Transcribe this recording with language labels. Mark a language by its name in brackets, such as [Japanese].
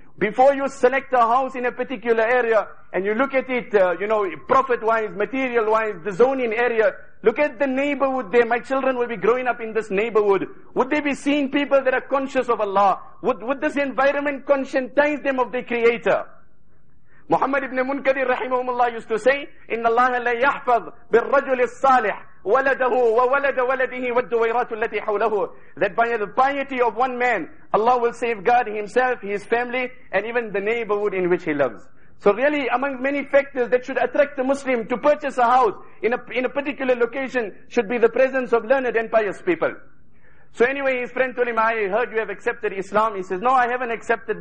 [English] Before you select a house in a particular area and you look at it, profit-wise, material-wise, the zoning area, look at the neighborhood there. My children will be growing up in this neighborhood. Would they be seeing people that are conscious of Allah? Would this environment conscientize them of the Creator? [Arabic] Muhammad ibn Munkadir rahimahumullah [English] used to say, [Arabic] إِنَّ اللَّهَ لَيَحْفَظْ بِالرَّجُلِ الصَّالِحِ وَلَدَهُ وَوَلَدَ وَلَدِهِ وَالدُّوَيْرَاتُ الَّتِي حَوْلَهُ. [English] That by the piety of one man, Allah will safeguard himself, his family, and even the neighborhood in which he lives. So really, among many factors that should attract a Muslim to purchase a house in a particular location should be the presence of learned and pious people. So anyway, his friend told him, I heard you have accepted Islam. He says, no, I haven't accepted.